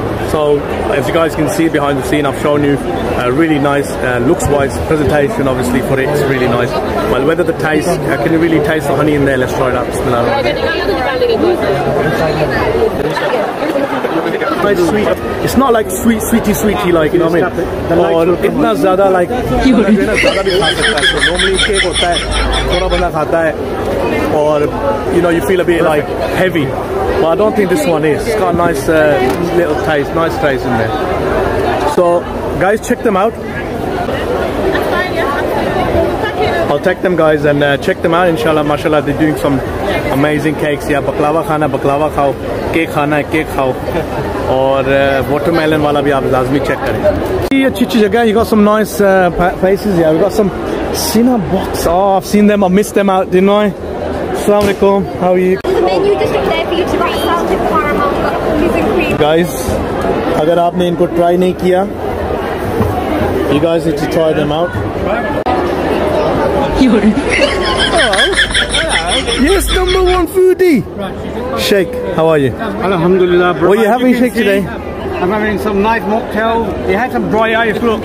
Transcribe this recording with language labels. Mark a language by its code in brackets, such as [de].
[en] So as you guys can see behind the scene, I've shown you a really nice looks wise presentation. Obviously for it, it's really nice. But whether the taste, I can really taste the honey in there. Let's try it out. Bismillah. Very sweet. It's not like sweety, like, you know what I mean? [hi] और इतना ज़्यादा, like, normally cake होता है, थोड़ा बंदा खाता है. [en] Or, you know, you feel a bit like heavy. But I don't think this one is. It's got a nice little taste, nice taste in there. So, guys, check them out. I'll take them, guys, and check them out. Inshallah, mashallah, they're doing some amazing cakes. [hi] येह, बकलावा खाना, बकलावा खाओ. Cake खाना, cake खाओ. और watermelon वाला भी आप लाज़मी चेक करे. See, अच्छी अच्छी जगह. [en] You got some nice places. Yeah, we got some cinnabox. Oh, I've seen them. I missed them out, didn't I? Assalamualaikum, how are you? The menu just declared for you to try salted caramel, cookies and cream. [hi] Guys, अगर आपने इनको try नहीं किया, [en] You guys need to try them out. Yes, number one foodie. Sheikh, how are you? Alhamdulillah, bro. What are you having, Sheikh, today? I'm having some nice mocktail. You had some dry ice, look.